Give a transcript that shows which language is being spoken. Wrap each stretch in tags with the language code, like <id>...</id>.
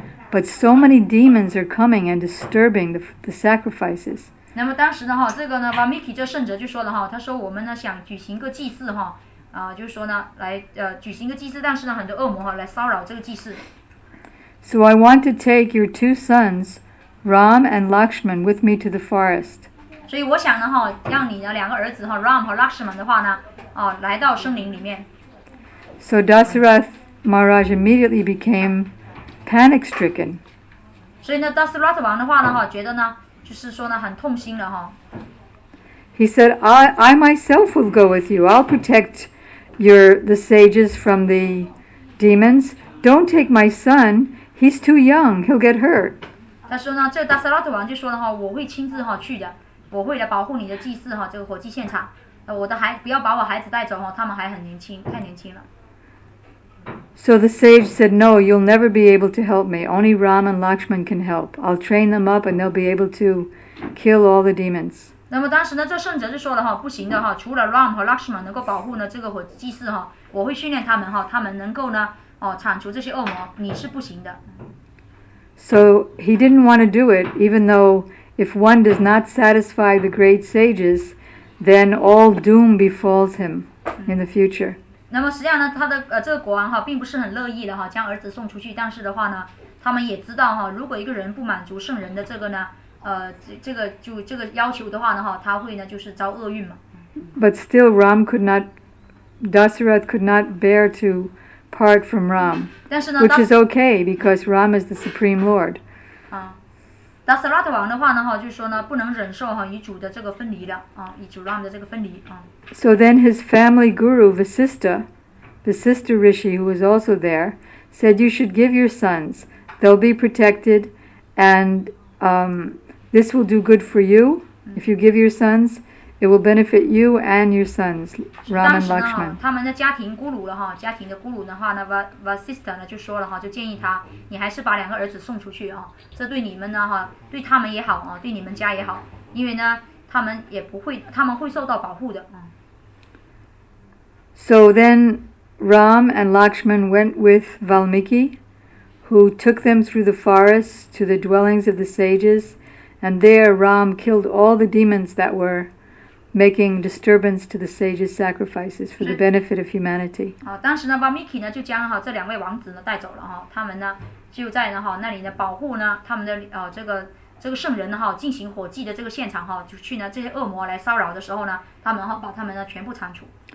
<en>But so many demons are coming and disturbing the sacrifices.</en> <zh>那么当时呢，这个呢 ，Valmiki 这圣者就说了，他说我们呢想举行个祭祀，就是说呢来举行个祭祀，但是呢很多恶魔来骚扰这个祭祀。</zh> <en>So I want to take your two sons, Ram and Lakshman, with me to the forest.</en> <zh>所以我想呢，哈，让你的两个儿子哈 ，Ram 和 Lakshman 的话呢，来到森林里面。</zh> <en>So Dasarath Maharaj immediately became panic-stricken.</en> <zh>所以呢 ，Dasarath 王的话呢，哈，觉得呢，就是说呢，很痛心了哈。</zh> <en>He said, "I myself will go with you. I'll protect the sages from the demons." Don't take my son. He's too young. He'll get hurt.</en> <zh>他说呢，这达斯拉特王就说了哈，我会亲自哈去的，我会来保护你的祭祀哈，这个火祭现场。我的孩不要把我孩子带走哈，他们还很年轻，太年轻了。</zh> <en>So the sage said, "No, you'll never be able to help me. Only Ram and Lakshman can help. I'll train them up, and they'll be able to kill all the demons."</en> <zh>那么当时呢，这圣者就说了哈，不行的哈，除了 Ram 和 Lakshman 能够保护呢这个火祭祀哈，我会训练他们哈，他们能够呢。铲除这些恶魔，你是不行的。</zh> <en>So he didn't want to do it, even though If one does not satisfy the great sages, then all doom befalls him in the future.</en> <zh>那么实际上呢，他的这个国王哈，并不是很乐意的哈，将儿子送出去。但是的话呢，他们也知道哈，如果一个人不满足圣人的这个呢，这个要求的话呢哈，他会呢就是遭厄运嘛。</zh> <en>But still, Ram could not, Dasarath could not bear to part from Ram.</en> <zh>但是呢</zh> <en>，which is okay because Ram is the supreme lord.</en> <zh>啊 ，Dasarath 王的话呢哈，就是说呢，不能忍受哈与主的这个分离的啊，与主 Ram 的这个分离啊。</zh> <en>So then his family guru Vasistha, the sister Rishi who was also there, said you should give your sons. They'll be protected and this will do good for you. If you give your sons, it will benefit you and your sons, Ram and Lakshman.</en> <zh>他们的家庭咕噜了哈，家庭的咕噜的话呢 Vasistha 呢就说了哈，就建议他，你还是把两个儿子送出去啊，这对你们呢哈，对他们也好啊，对你们家也好，因为呢他们也不会，他们会受到保护的。</zh> <en>So then Ram and Lakshman went with Valmiki, who took them through the forest to the dwellings of the sages, and there Ram killed all the demons that were making disturbance to the sages' sacrifices for the benefit of humanity.</en> <zh>啊，当时呢 ，Valmiki 呢就将哈这两位王子呢带走了哈，他们呢就在呢哈那里呢保护呢他们的这个。这个圣人呢哈，进行火祭的这个现场哈，就去呢这些恶魔来骚扰的时候呢，他们哈把他们呢全部铲除。</zh>